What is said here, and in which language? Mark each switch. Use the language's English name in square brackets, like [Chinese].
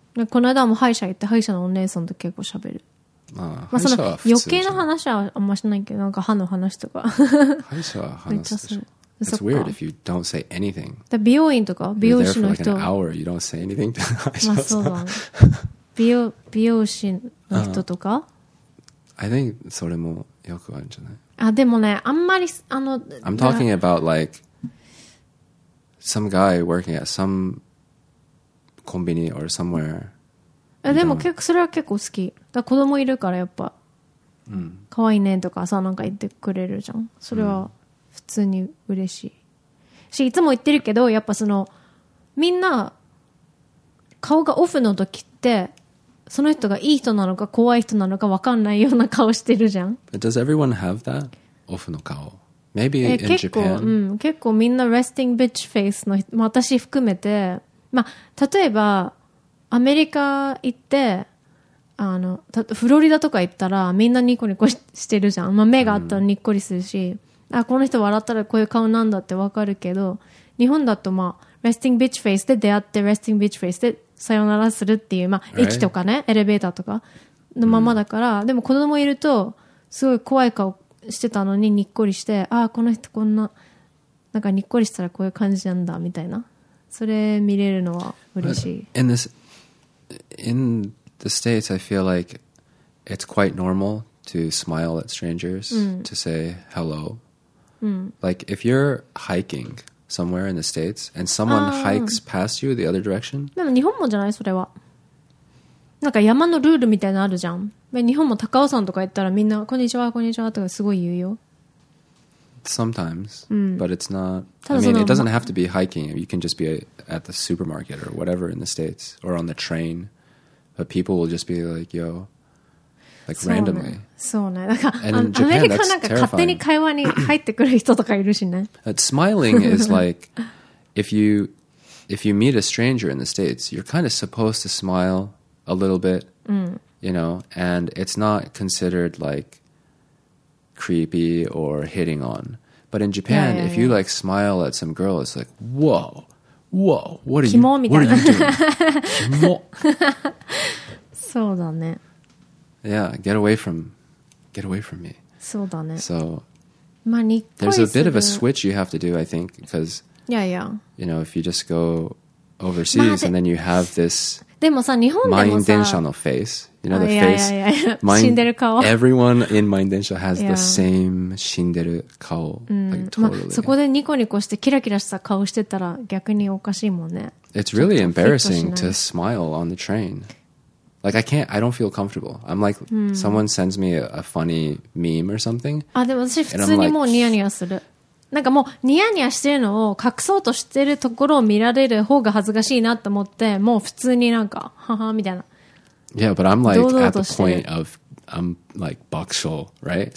[Japanese] この間も歯医者行って歯医者のお姉さんと結構喋る。まあ、余計な話はあんましないけど、なんか歯の話とか。歯医者は話すでしょ。 [English] It's weird if you don't say anything. [Japanese] 美容院とか美容師の人。 [English] You're there for like an hour, you don't say anything to the 歯医者さん。 [Japanese] まあそうだね。美容師の人とか、 [English] I think [Japanese] それもよくあるんじゃない。あ、でもね、あんまり、あの、 [English] I'm talking about like some guy working at someコンビニ or somewhere. [Japanese] でも結構それは結構好き。だ子供いるからやっぱ、うん、かわいいねとかさなんか言ってくれるじゃん。それは普通に嬉しい。しいつも言ってるけどやっぱそのみんな顔がオフの時ってその人がいい人なのか怖い人なのか分かんないような顔してるじゃん。 [English] Does everyone have that? [Japanese] オフの顔。 [English] Maybe in Japan. [Japanese] 結構、うん、結構みんな [English] resting bitch face [Japanese] の私含めて。まあ、例えばアメリカ行ってあのフロリダとか行ったらみんなニコニコしてるじゃん、まあ、目があったらにっこりするし、うん、あこの人笑ったらこういう顔なんだってわかるけど日本だと、まあ、レスティングビッチフェイスで出会ってレスティングビッチフェイスでさよならするっていう、まあ、駅とかね、 [English] right. [Japanese] エレベーターとかのままだから、うん、でも子供いるとすごい怖い顔してたのににっこりしてあこの人こんななんかにっこりしたらこういう感じなんだみたいなそれ見れるのは嬉しい。 [English] In the States, I feel like it's quite normal to smile at strangers,、 [Japanese] うん、 [English] to say hello.、 [Japanese] うん、 [English] like if you're hiking somewhere in the States and someone hikes past you the other direction. [Japanese] でも日本もじゃないそれは。なんか山のルールみたいなのあるじゃん。日本も高尾山とか行ったらみんなこんにちはこんにちはとかすごい言うよ。 [English] Sometimes,、 [Japanese] うん、 [English] but it's not. I mean, it doesn't have to be hiking. You can just be at the supermarket or whatever in the States or on the train. But people will just be like, yo. Like randomly. [Japanese] そうね。なんか、アメリカなんか勝手に会話に入ってくる人とかいるしね。 [English] Smiling is like, if you meet a stranger in the States, you're kind of supposed to smile a little bit, you know, and it's not considered like creepy or hitting on. But in Japan, yeah, yeah, yeah. if you like smile at some girl, it's like, whoa. Whoa, what are you doing? [Japanese] そうだね。 [English] Yeah, get away from me. [Japanese] そうだね。 [English] So, [Japanese] まあ、 [English] there's a bit of a switch you have to do, I think, because, yeah, yeah. you know, if you just go overseas、まあ、and then you have this [Japanese] でもさ、日本でもさ、 [English] Mind Densha の face, you know, the face, [Japanese] いやいやいや死んでる顔。 [English] Everyone in Mind Densha has the same [Japanese] 死んでる顔。 [English] Like, totally. [Japanese] まあ、そこでニコニコしてキラキラした顔してたら逆におかしいもんね。 [English] It's really embarrassing to smile on the train. Like, I don't feel comfortable. I'm like, someone sends me a funny meme or something. [Japanese] あ、でも私普通にもうニヤニヤする。なんかもうニヤニヤしてるのを隠そうとしてるところを見られる方が恥ずかしいなと思ってもう普通になんかははみたいな [English] Yeah, but I'm like at the point of I'm like buckshot, right?